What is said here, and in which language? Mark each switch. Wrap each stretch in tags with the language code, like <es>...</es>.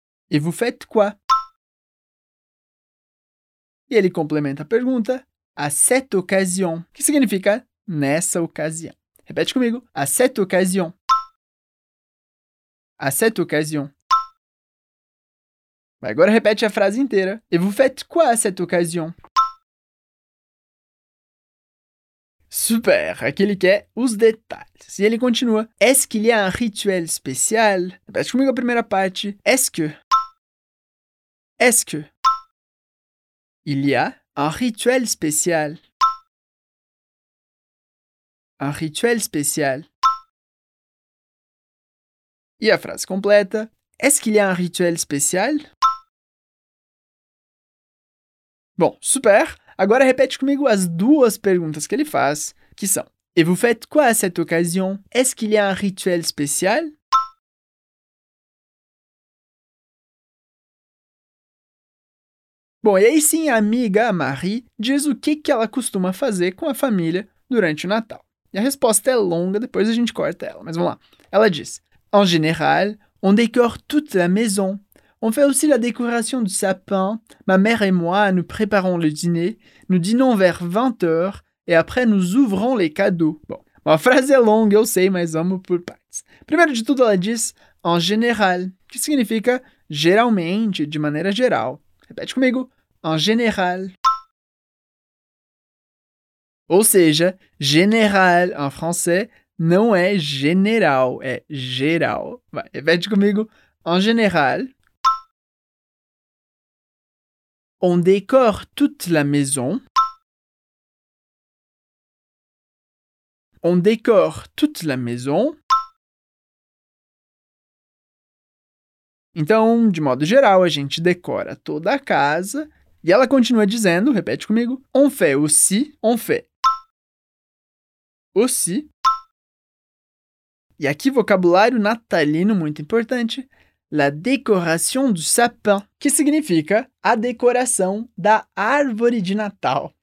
<fr>Et vous faites quoi?</fr> <pt>E ele complementa a pergunta,</pt> <fr>à cette occasion,</fr> <pt>que significa nessa ocasião. Repete comigo,</pt> <fr>à cette occasion. À cette occasion.</fr> <pt>Agora repete a frase inteira.</pt> <fr>Et vous faites quoi à cette occasion?</fr> <pt>Super, aqui ele quer os detalhes. E ele continua.</pt> <fr>Est-ce qu'il y a un rituel spécial?</fr> <pt>Repete comigo a primeira parte.</pt> <fr>Est-ce que il y a un rituel spécial? Un rituel spécial.</fr> <pt>E a frase completa.</pt> <fr>Est-ce qu'il y a un rituel spécial?</fr> <pt>Bom, super. Agora repete comigo as duas perguntas que ele faz, que são:</pt> <fr>Et vous faites quoi à cette occasion? Est-ce qu'il y a un rituel spécial?</fr> <pt>Bom, e aí sim a amiga, a Marie, diz o que, que ela costuma fazer com a família durante o Natal. E a resposta é longa, depois a gente corta ela, mas vamos lá. Ela diz:</pt> <fr>En général, on décore toute la maison. On fait aussi la décoration du sapin. Ma mère et moi, nous préparons le dîner. Nous dînons vers 20h et après, nous ouvrons les cadeaux.</fr> <pt>Bom, uma frase é longa, eu sei, mas amo por partes. Primeiro de tudo, ela diz</pt> <fr>en général,</fr> <pt>que significa geralmente, de maneira geral. Repete comigo,</pt> <fr>en général.</fr> <pt>Ou seja, général em francês não é general, é geral. Vai, repete comigo,</pt> <fr>en général. On décore toute la maison. On décore toute la maison.</fr> <pt>Então, de modo geral, a gente decora toda a casa. E ela continua dizendo, repete comigo.</pt> <fr>On fait aussi. On fait aussi.</fr> <pt>E aqui, vocabulário natalino muito importante.</pt> <fr>La décoration du sapin,</fr> <pt>que significa a decoração da árvore de Natal.</pt>